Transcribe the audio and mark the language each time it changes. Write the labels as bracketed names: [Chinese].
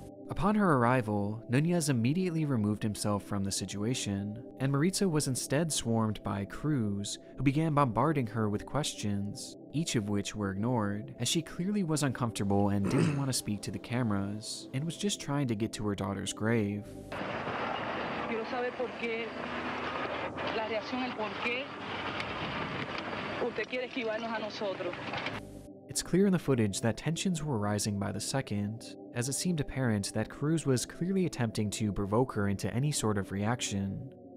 [English] Upon her arrival, Nunez immediately removed himself from the situation, and Maritza was instead swarmed by Cruz, who began bombarding her with questions, each of which were ignored, as she clearly was uncomfortable and didn't want to speak to the cameras, and was just trying to get to her daughter's grave. [Spanish] Quiero saber por qué, la reacción, el por qué usted quiere esquivarnos a nosotros. [English] It's clear in the footage that tensions were rising by the second, as it seemed apparent that Cruz was clearly attempting to provoke her into any sort of reaction.